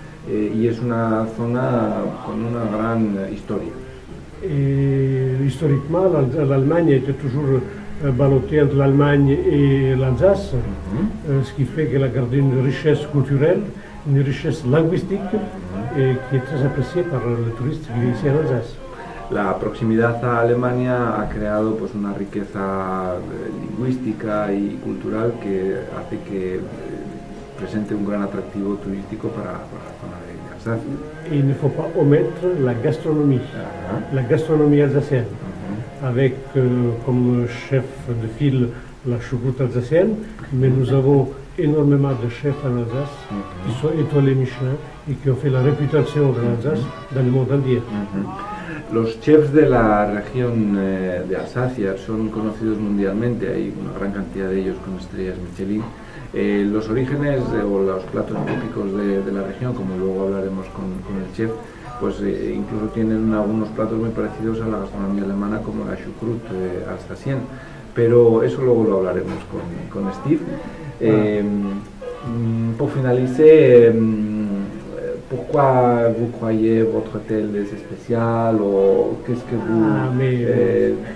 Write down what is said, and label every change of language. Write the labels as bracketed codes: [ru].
[es] Y es una zona con una gran historia. [fr] Historiquement, l'Allemagne était toujours ballottée entre l'Allemagne et l'Alsace, ce qui fait qu'elle a gardé une richesse culturelle, une richesse linguistique, et qui est très appréciée par les touristes qui viennent ici en Alsace. [es] La proximidad a Alemania ha creado pues una riqueza lingüística y cultural que hace que presente un gran atractivo turístico para la zona de Alsacia. [fr] Il ne faut pas omettre la gastronomie alsacienne, avec comme chef de file la choucroute alsacienne, mais nous avons énormément de chefs en Alsace qui sont étoilés Michelin et qui ont fait la réputation de l'Alsace dans le monde entier. [es] Los chefs de la región de Alsacia son conocidos mundialmente, hay una gran cantidad de ellos con estrellas Michelin. Los orígenes o los platos típicos de la región, como luego hablaremos con el chef, pues incluso tienen algunos platos muy parecidos a la gastronomía alemana, como la choucroute alsacienne. Pero eso luego lo hablaremos con Steve. [fr] Pour finaliser, pourquoi vous croyez votre hôtel est spécial, ou qu'est-ce que vous...